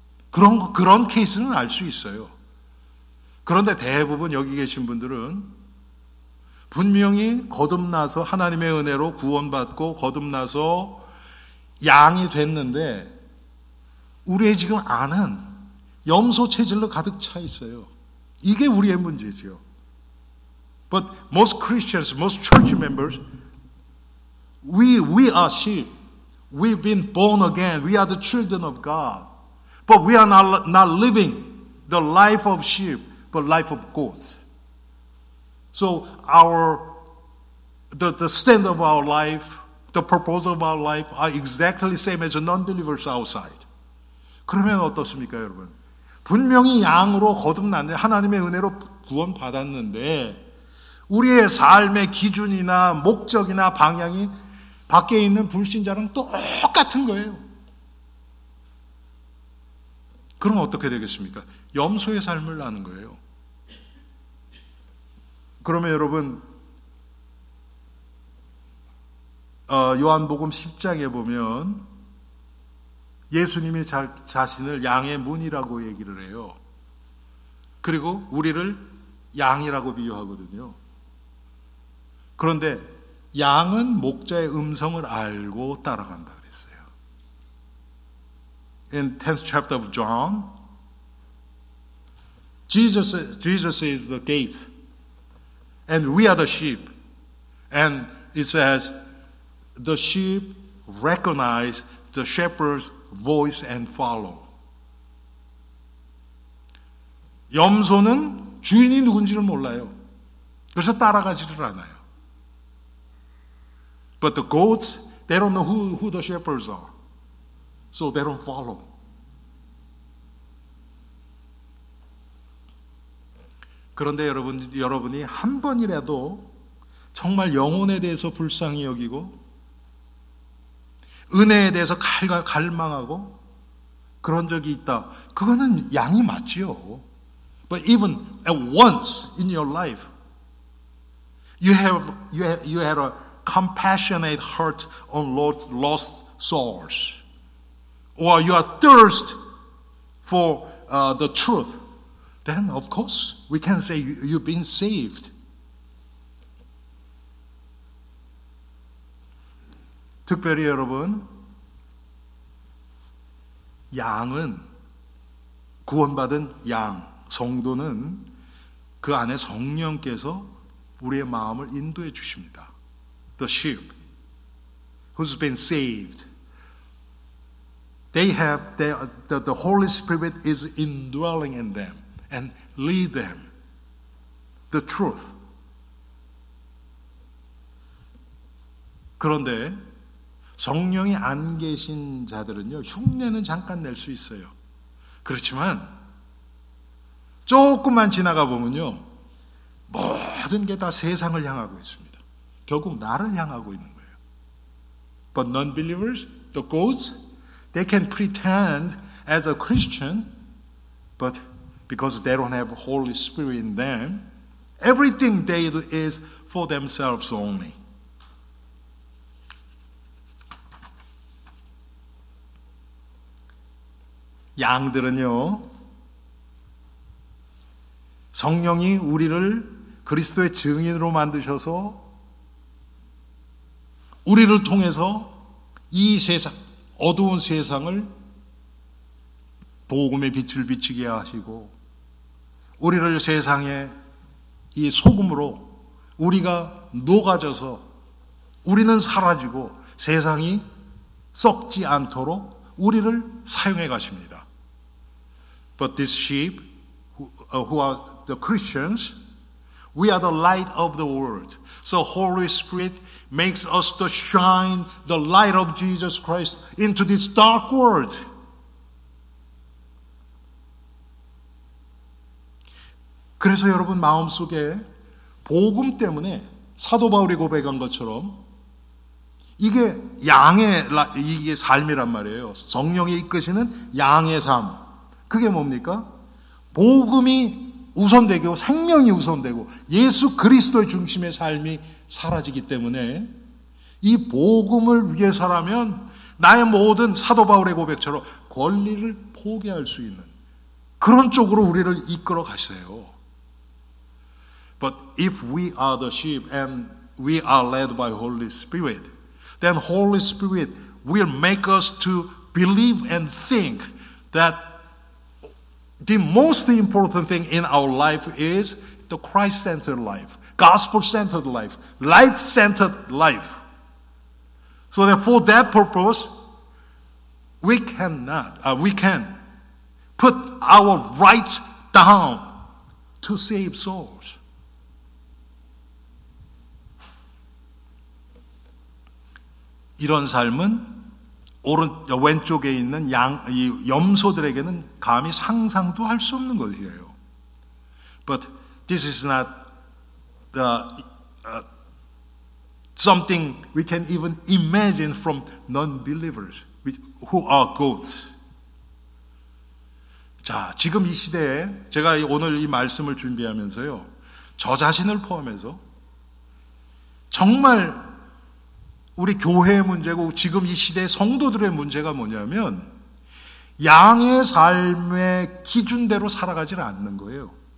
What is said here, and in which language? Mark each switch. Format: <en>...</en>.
<ko>그런 케이스는 알 수 있어요. 그런데 대부분 여기 계신 분들은 분명히 거듭나서 하나님의 은혜로 구원받고 거듭나서 양이 됐는데 우리의 지금 안은 염소 체질로 가득 차 있어요. 이게 우리의 문제죠.</ko> <en>But most Christians, most church members, we are sheep. We've been born again. We are the children of God. But we are not living the life of sheep, but life of goats. So the standard of our life, the purpose of our life are exactly the same as the non-believers outside.</en> <ko>그러면 어떻습니까, 여러분? 분명히 양으로 거듭났는데 하나님의 은혜로 구원 받았는데 우리의 삶의 기준이나 목적이나 방향이 밖에 있는 불신자랑 똑같은 거예요. 그럼 어떻게 되겠습니까? 염소의 삶을 사는 거예요. 그러면 여러분, 요한복음 10장에 보면 예수님이 자신을 양의 문이라고 얘기를 해요. 그리고 우리를 양이라고 비유하거든요. 그런데 양은 목자의 음성을 알고 따라간다 그랬어요.</ko> <en>In 10th chapter of John, Jesus is the gate. And we are the sheep. And it says, the sheep recognize the shepherd's voice and follow.</en> <ko>염소는 주인이 누군지를 몰라요. 그래서 따라가지를 않아요.</ko> <en>But the goats, they don't know who the shepherds are. So they don't follow.</en> <ko>그런데 여러분이 한 번이라도 정말 영혼에 대해서 불쌍히 여기고 은혜에 대해서 갈망하고 그런 적이 있다. 그거는 양이 맞죠.</ko> <en>But even at once in your life, you had a compassionate heart on lost souls. Or your thirst for the truth. Then, of course, we can say you've been saved. Especially,</en> <ko>여러분, 양은 구원받은 양, 성도는 그 안에 성령께서 우리의 마음을 인도해 주십니다.</ko> <en>The sheep who's been saved, they have the Holy Spirit is indwelling in them and lead them the truth.</en> <ko>그런데 성령이 안 계신 자들은요, 흉내는 잠깐 낼 수 있어요. 그렇지만 조금만 지나가 보면요, 모든 게 다 세상을 향하고 있습니다. 결국 나를 향하고 있는 거예요.</ko> <en>But non-believers, the goats, they can pretend as a Christian, but because they don't have Holy Spirit in them, everything they do is for themselves only.</en> <ko>양들은요, 성령이 우리를 그리스도의 증인으로 만드셔서 우리를 통해서 이 세상, 어두운 세상을 복음의 빛을 비추게 하시고 우리를 세상의 이 소금으로 우리가 녹아져서 우리는 사라지고 세상이 썩지 않도록 우리를 사용해 가십니다.</ko> <en>But these sheep who are the Christians, we are the light of the world. So Holy Spirit makes us to shine the light of Jesus Christ into this dark world.</en> <ko>그래서 여러분 마음속에 복음 때문에 사도 바울이 고백한 것처럼 이게 양의 이게 삶이란 말이에요. 성령이 이끄시는 양의 삶. 그게 뭡니까? 복음이 우선되고 생명이 우선되고 예수 그리스도의 중심의 삶이 사라지기 때문에 이 복음을 위해서라면 나의 모든 사도 바울의 고백처럼 권리를 포기할 수 있는 그런 쪽으로 우리를 이끌어 가세요.</ko> <en>But if we are the sheep and we are led by Holy Spirit, then Holy Spirit will make us to believe and think that the most important thing in our life is the Christ-centered life, gospel-centered life, life-centered life. So that for that purpose, we can put our rights down to save souls.</en> <ko>이런 삶은 왼쪽에 있는 이 염소들에게는 감히 상상도 할 수 없는 것이에요.</ko> <en>But this is not the something we can even imagine from non-believers who are goats.</en> <ko>자, 지금 이 시대에 제가 오늘 이 말씀을 준비하면서요, 저 자신을 포함해서 정말 우리 교회의 문제고 지금 이 시대의 성도들의 문제가 뭐냐면 양의 삶의 기준대로 살아가지 않는 거예요.</ko>